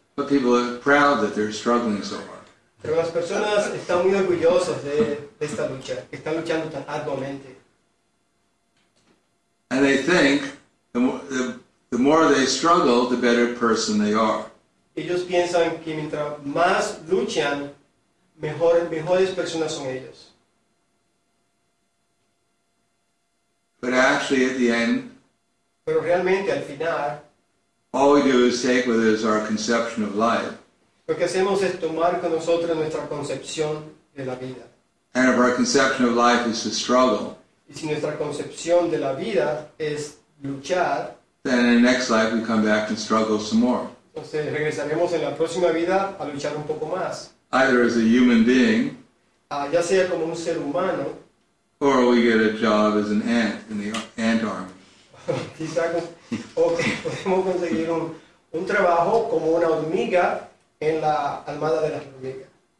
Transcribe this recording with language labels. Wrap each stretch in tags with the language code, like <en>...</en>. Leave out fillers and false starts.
<en>But people are proud that they're struggling so hard.</en> <es>Pero las personas están muy orgullosas de esta lucha. Están luchando tan arduamente.</es> <en>And they think the more they struggle, the better person they are.</en> <es>Ellos piensan que mientras más luchan, mejores personas son ellos.</es> <en>But actually, at the end,</en> <es>pero realmente al final,</es> <en>all we do is take with us our conception of life.</en> <es>Lo que hacemos es tomar con nosotros nuestra concepción de la vida.</es> <en>And if our conception of life is a struggle,</en> <es>y si nuestra concepción de la vida es luchar,</es> <en>then in the next life we come back and struggle some more.</en> <es>Entonces regresaremos en la próxima vida a luchar un poco más.</es> <en>Either as a human being,</en> <es>ya sea como un ser humano,</es> <en>or we get a job as an ant in the ant army.</en> <es>O podemos conseguir un trabajo como una hormiga en la armada de las hormigas.</es>